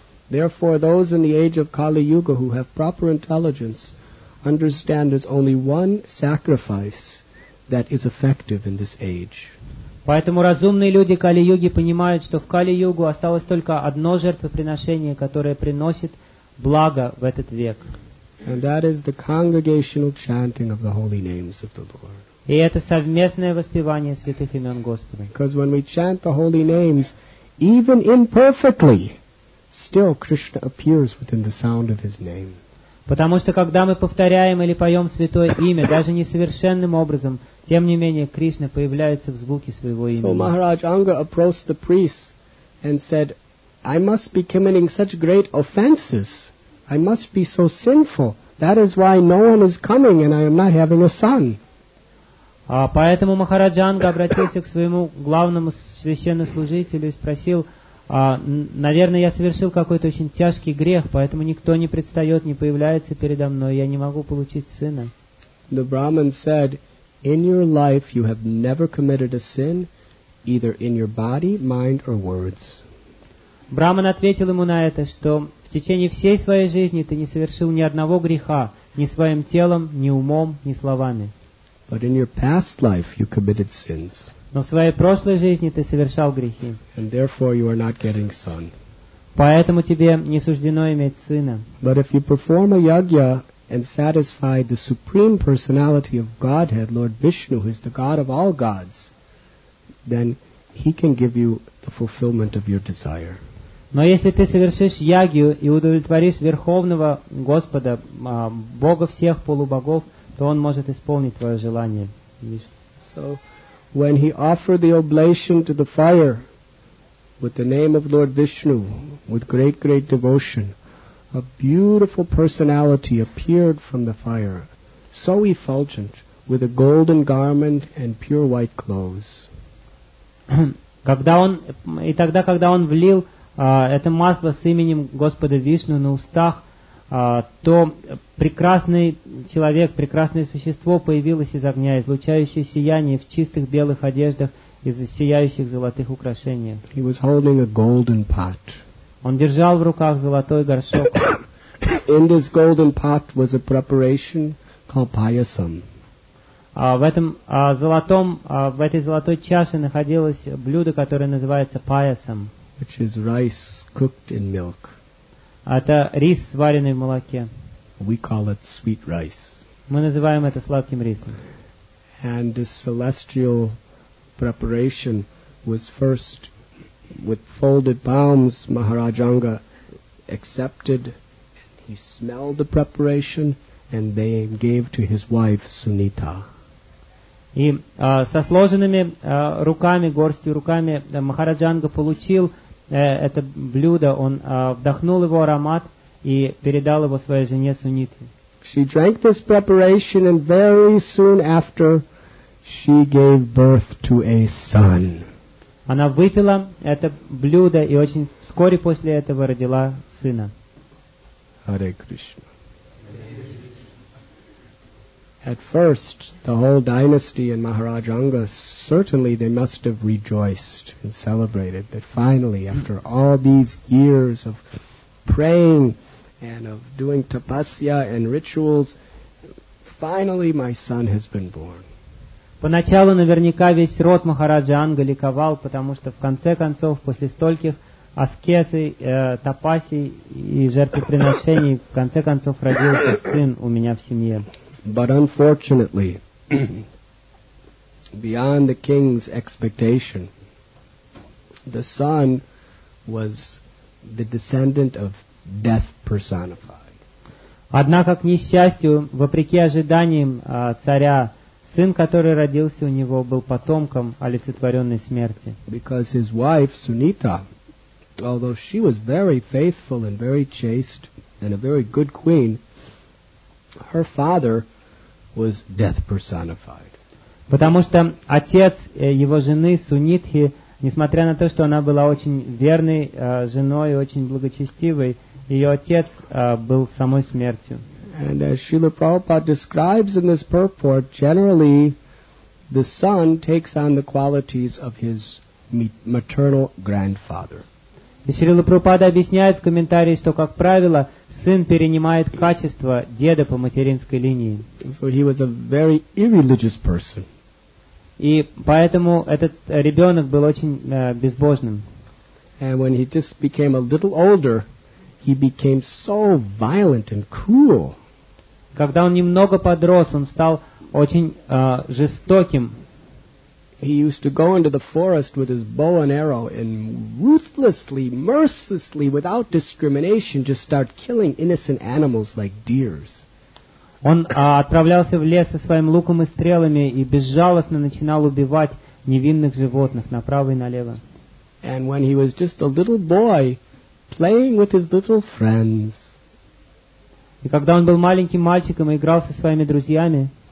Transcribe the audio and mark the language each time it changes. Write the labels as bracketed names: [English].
[English] Therefore, those in the age of Kali Yuga who have proper intelligence understand there's only one sacrifice that is effective in this age. [Russian] Поэтому разумные люди Кали-юги понимают, что в Кали-югу осталось только одно жертвоприношение, которое приносит благо в этот век. [English] And that is the congregational chanting of the holy names of the Lord. [Russian] И это совместное воспевание святых имен Господа. [English] Because when we chant the holy names, even imperfectly, still Krishna appears within the sound of his name. [Russian] Потому что когда мы повторяем или поем святое имя, даже несовершенным образом, тем не менее Кришна появляется в звуке своего имени. [English] So Maharaj Anga approached the priest and said, I must be committing such great offenses. I must be so sinful. That is why no one is coming and I am not having a son. [Russian] Поэтому Махарадж Анга обратился к своему главному священнослужителю и спросил, наверное, я совершил какой-то очень тяжкий грех, поэтому никто не предстает, не появляется передо мной, я не могу получить сына. [English] The Brahmin said, in your life you have never committed a sin, either in your body, mind or words. [Russian] Брахман ответил ему на это, что в течение всей своей жизни ты не совершил ни одного греха, ни своим телом, ни умом, ни словами. [English] But in your past life you committed sins. [Russian] Но в своей прошлой жизни ты совершал грехи. [English] And therefore you are not getting son. [Russian] Поэтому тебе не суждено иметь сына. [English] But if you perform a yagya and satisfy the supreme personality of Godhead, Lord Vishnu, who is the God of all gods, then he can give you the fulfillment of your desire. [Russian] Но если ты совершишь ягью и удовлетворишь Верховного Господа, Бога всех полубогов, то он может исполнить твое желание. [English] So, when he offered the oblation to the fire with the name of Lord Vishnu, with great devotion, a beautiful personality appeared from the fire, so effulgent, with a golden garment and pure white clothes. [Russian] когда он влил это масло с именем Господа Вишну на устах, то прекрасный человек, прекрасное существо появилось из огня, излучающее сияние в чистых белых одеждах и сияющих золотых украшениях. [English] He was holding a golden pot. [Russian] Он держал в руках золотой горшок. [English] In this golden pot was a preparation called payasam. [Russian] В этой золотой чаше находилось блюдо, которое называется payasam. [English] Which is rice cooked in milk. [Russian] Это рис, сваренный в молоке. [English] We call it sweet rice. [Russian] Мы называем это сладким рисом. [English] And this celestial preparation was first with folded palms, Maharaj Anga accepted, he smelled the preparation, and they gave to his wife, Sunita. [Russian] И со сложенными руками, горстью руками Махараджанга получил это блюдо, он вдохнул его аромат и передал его своей жене Суните. [English] She drank this preparation and very soon after she gave birth to a son. [Russian] Она выпила это блюдо и очень вскоре после этого родила сына. [English] Hare Krishna. At first, the whole dynasty and Maharaj Anga, certainly they must have rejoiced and celebrated that finally, after all these years of praying and of doing tapasya and rituals, finally my son has been born. [Russian] Поначалу наверняка весь род Махараджа Анга ликовал, потому что в конце концов, после стольких аскезы, тапаси и жертвоприношений, в конце концов родился сын у меня в семье. [English] But unfortunately, beyond the king's expectation, the son was the descendant of death personified. [Russian] Однако, к несчастью, вопреки ожиданиям царя, сын, который родился у него, был потомком олицетворенной смерти. [English] Because his wife, Sunita, although she was very faithful and very chaste and a very good queen, her father was death personified. [Russian] Потому что отец его жены Сунитхи, несмотря на то, что она была очень верной женой и очень благочестивой, ее отец был самой смертью. [English] And as Srila Prabhupada describes in this purport, generally the son takes on the qualities of his maternal grandfather. [Russian] И Шрила Прабхупада объясняет в комментарии, что, как правило, сын перенимает качества деда по материнской линии. [English] So he was a very irreligious person. [Russian] И поэтому этот ребенок был очень безбожным. [English] And when he just became a little older, he became so violent and cruel. [Russian] Когда он немного подрос, он стал очень жестоким. [English] He used to go into the forest with his bow and arrow and ruthlessly, mercilessly, without discrimination, just start killing innocent animals like deers. [Russian] Он отправлялся в лес со своим луком и стрелами и безжалостно начинал убивать невинных животных направо и налево. [English] And when he was just a little boy playing with his little friends, [Russian] и когда он был маленьким мальчиком и играл со своими друзьями,